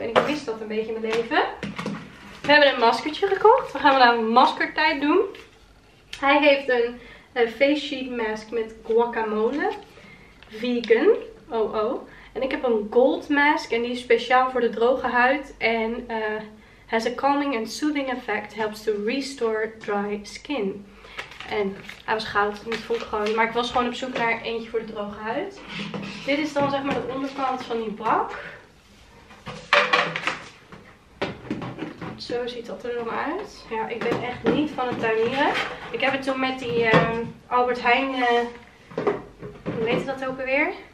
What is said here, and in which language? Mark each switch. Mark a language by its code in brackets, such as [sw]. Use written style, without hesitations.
[nl] En ik wist dat een beetje in mijn leven. We hebben een maskertje gekocht. We gaan vandaag maskertijd doen. Hij heeft een face sheet mask met guacamole. Vegan. Oh oh. En ik heb een gold mask. En die is speciaal voor de droge huid. En [en] has a calming and soothing effect. Helps to restore dry skin. [nl] En hij was goud. En het voelt gewoon. Maar ik was gewoon op zoek naar eentje voor de droge huid. Dit is dan zeg maar de onderkant van die bak. Zo ziet dat er dan uit. Ja, ik ben echt niet van het tuinieren. Ik heb het toen met die Albert Heijn. Hoe heet dat ook alweer?